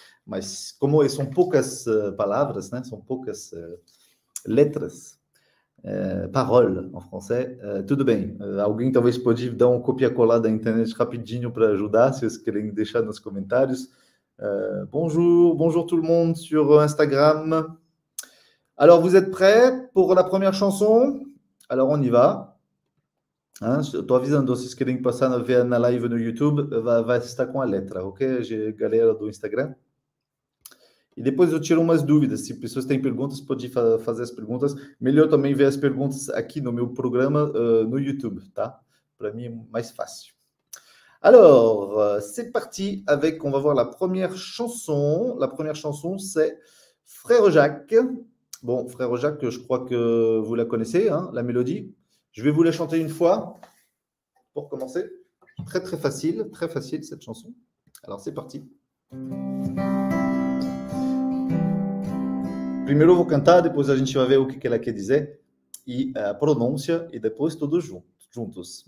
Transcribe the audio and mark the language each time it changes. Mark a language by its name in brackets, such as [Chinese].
[Portuguese] Mas como são poucas palavras, né? São poucas letras, paroles em francês, tudo bem. Alguém talvez pode dar um copia-colar da internet rapidinho para ajudar, se vocês querem deixar nos comentários. [French] Bonjour, bonjour tout le monde sur Instagram. Alors, vous êtes prêts pour la première chanson? Alors, on y va. [Portuguese] Hein, estou avisando, se vocês querem passar a ver na live no YouTube, vai estar com a letra, ok? Galera do Instagram. E depois eu tiro umas dúvidas. Se pessoas têm perguntas, pode fazer as perguntas. Melhor também ver as perguntas aqui no meu programa, no YouTube, tá? Para mim é mais fácil. [French] Alors, c'est parti avec. On va voir la première chanson. La première chanson, c'est Frère Jacques. Bon, Frère Jacques, je crois que vous la connaissez, hein, la mélodie. Je vais vous la chanter une fois pour commencer. Très, très facile cette chanson. Alors, c'est parti. [Portuguese] Primeiro eu vou cantar, depois a gente vai ver o que ela quer dizer e a pronúncia e depois tudo juntos.